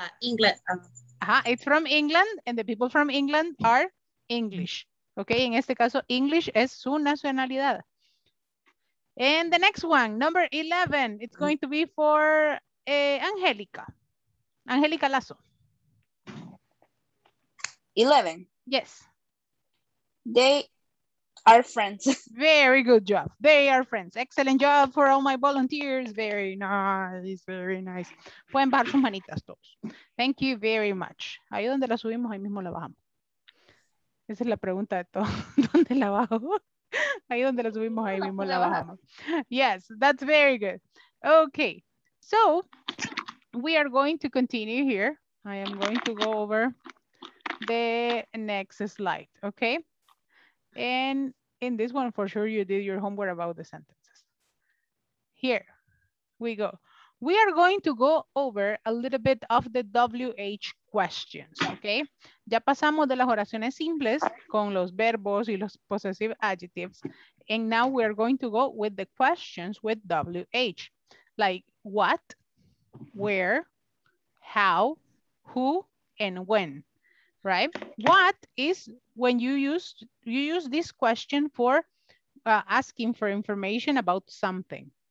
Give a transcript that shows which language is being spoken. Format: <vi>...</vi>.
<en>It's from England, and the people from England are English.</en> <es>Okay, en este caso, English es su nacionalidad.</es> <en>And the next one, number 11, it's going to be for Angélica. Angélica Lazo. 11. Yes. They are friends. Very good job. They are friends. Excellent job for all my volunteers. Very nice. Very nice. Pueden bajar sus manitas todos. Thank you very much.</en> <es>Ahí donde la subimos, ahí mismo la bajamos. Esa es la pregunta de todo. ¿Dónde la bajo? Ahí donde la subimos, ahí mismo la bajamos.</es> <en>Yes, that's very good. Okay, so we are going to continue here. I am going to go over the next slide, okay? And in this one, for sure, you did your homework about the sentences. Here we go. We are going to go over a little bit of the WH questions, okay?</en> <es>Ya pasamos de las oraciones simples con los verbos y los possessive adjectives.</es> <en>And now we are going to go with the questions with WH. Like what, where, how, who, and when, right? What is when you use this question for asking for information about something.</en>